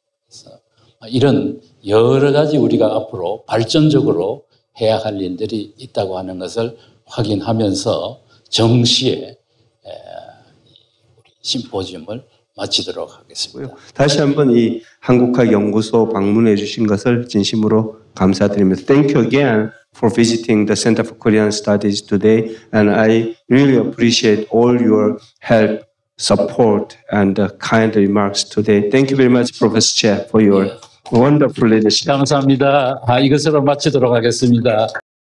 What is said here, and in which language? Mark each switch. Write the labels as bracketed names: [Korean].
[Korean] 그래서 이런 여러 가지 우리가 앞으로 발전적으로 해야 할 일들이 있다고 하는 것을 확인하면서 정시에 심포지엄을 마치도록 하겠습니다. 다시 한번 이 한국학 연구소 방문해 주신 것을 진심으로 감사드립니다. [English] Thank you again for visiting the Center for Korean Studies today, and I really appreciate all your help, support, and kind remarks today. Thank you very much, Professor Chair, for your wonderful leadership. [Korean] 감사합니다. 이것으로 마치도록 하겠습니다.